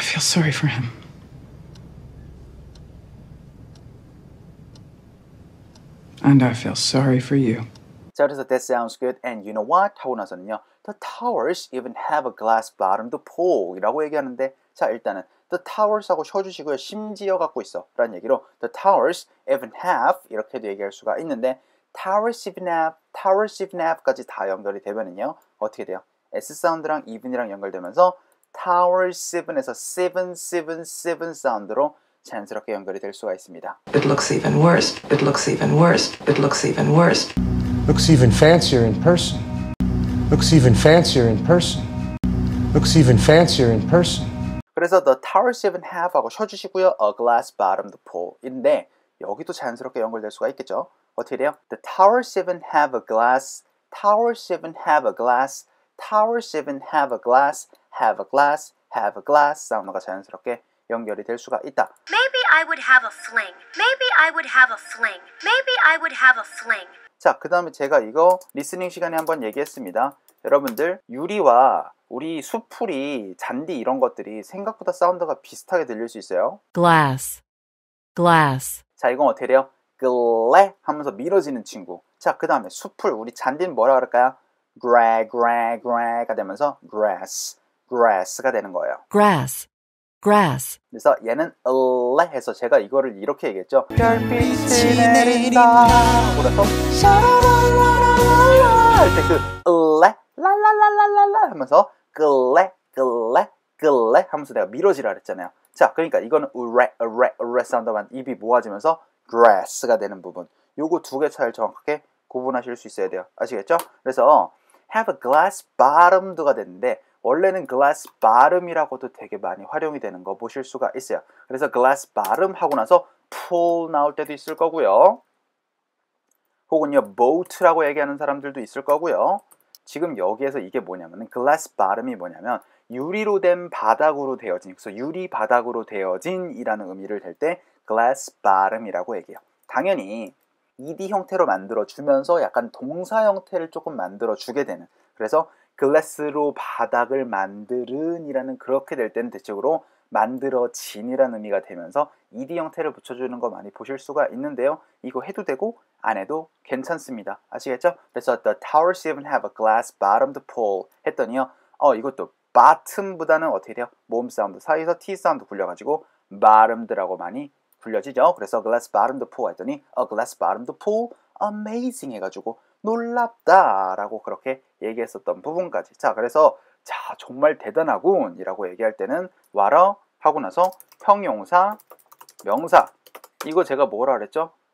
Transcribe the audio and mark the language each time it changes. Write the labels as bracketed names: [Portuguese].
[English] Sorry for him. And I feel sorry for you. So that sounds good. And you know what? [Korean] 하고 나서는요. [English] The towers even have a glass bottom to pull. [Korean] 이라고 얘기하는데 자 일단은 [English] the towers [Korean] 하고 쳐주시고요. 심지어 갖고 있어. 라는 얘기로 [English] the towers even have [Korean] 이렇게도 얘기할 수가 있는데 [English] towers even have, towers even have [Korean] 까지 다 연결이 되면은요. 어떻게 돼요? S 사운드랑 even이랑 연결되면서 Towers 7에서 7 사운드로 자연스럽게 연결이 될 수가 있습니다. [English] It looks even worse. It looks even worse. It looks even worse. Looks even fancier in person. Looks even fancier in person. Looks even fancier in person. [Korean] 그래서 [English] the towers even have [Korean] 하고 쳐주시고요. [English] A glass bottom to pull인데 [Korean] 여기도 자연스럽게 연결될 수가 있겠죠. 어떻게 돼요? [English] The towers even have a glass. Towers even have a glass. Towers even have a glass. Have a glass, have a glass [Korean] 사운드가 자연스럽게 연결이 될 수가 있다. [English] Maybe I would have a fling. Maybe I would have a fling. Maybe I would have a fling. [Korean] 자, 그 다음에 제가 이거 리스닝 시간에 한번 얘기했습니다. 여러분들, 유리와 우리 수풀이, 잔디 이런 것들이 생각보다 사운드가 비슷하게 들릴 수 있어요. [English] Glass, glass. [Korean] 자, 이건 어떻게 돼요? 글래 하면서 밀어지는 친구. 자, 그 다음에 수풀, 우리 잔디는 뭐라 그럴까요? [English] Gra, gra, gra가 [Korean] 되면서 [English] grass. [Korean] grass가 되는 거예요. [English] grass, grass. [Korean] 그래서 얘는 le 해서 제가 이거를 이렇게 얘기했죠. 별빛이 내린다. 그래서 샤라라라라라 할 때 그 le 라라라라라라 하면서 글래 글래 글래 하면서 내가 밀어지라 그랬잖아요. 자, 그러니까 이거는 re re re 사운드만 입이 모아지면서 grass가 되는 부분. 요거 두 개 차이를 정확하게 구분하실 수 있어야 돼요. 아시겠죠? 그래서 [English] have a glass bottom [Korean] 도가 됐는데. 원래는 glass bottom이라고도 되게 많이 활용이 되는 거 보실 수가 있어요. 그래서 glass bottom 하고 나서 pull 나올 때도 있을 거고요. 혹은요 boat라고 얘기하는 사람들도 있을 거고요. 지금 여기에서 이게 뭐냐면 glass bottom이 뭐냐면 유리로 된 바닥으로 되어진 그래서 유리 바닥으로 되어진 이라는 의미를 댈 때 glass bottom이라고 얘기해요. 당연히 ed 형태로 만들어주면서 약간 동사 형태를 조금 만들어주게 되는 그래서 글래스로 바닥을 만드는 이라는 그렇게 될 때는 대체적으로 만들어진 이라는 의미가 되면서 ed 형태를 붙여주는 거 많이 보실 수가 있는데요. 이거 해도 되고 안 해도 괜찮습니다. 아시겠죠? 그래서 [English] the towers even have a glass bottom to pull [Korean] 했더니요. 이것도 bottom보다는 어떻게 돼요? 모음 사운드 사이에서 t 사운드 굴려가지고 bottom라고 많이 굴려지죠. 그래서 glass bottom to pull 했더니 [English] a glass bottom to pull amazing [Korean] 해가지고 놀랍다 라고 그렇게 얘기했었던 부분까지 자 그래서 자 정말 대단하군 이라고 얘기할 때는 와라 하고 나서 형용사 명사 이거 제가 뭐라 그랬죠?